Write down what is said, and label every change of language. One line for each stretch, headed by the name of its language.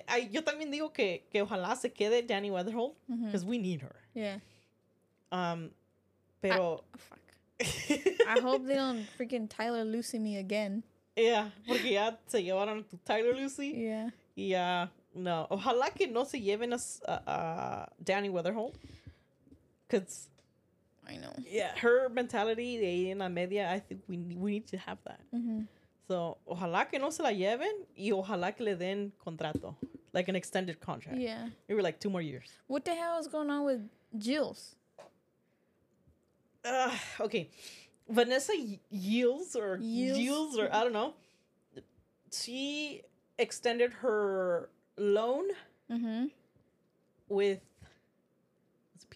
Spanish: Yo también digo que ojalá se quede Danny Weatherholt.
English: Because we need her. Yeah.
Spanish: Pero
English: fuck. I hope they don't freaking Tyler Lucy me again. Yeah,
Spanish: porque ya se llevaron to Tyler Lucy.
English: Yeah. Yeah,
Spanish: no. Ojalá que no se lleven a Danny Weatherholt.
English: Because. I know. Yeah, her mentality
Spanish: de ahí en la media,
English: I think we need to have that.
Spanish: So, ojalá que no se la lleven y ojalá que le den contrato.
English: Like an extended contract. Yeah. Maybe like 2 more years. What the hell is going on with Jules? Okay. Vanessa Yields, I don't know. She extended her loan with, it's P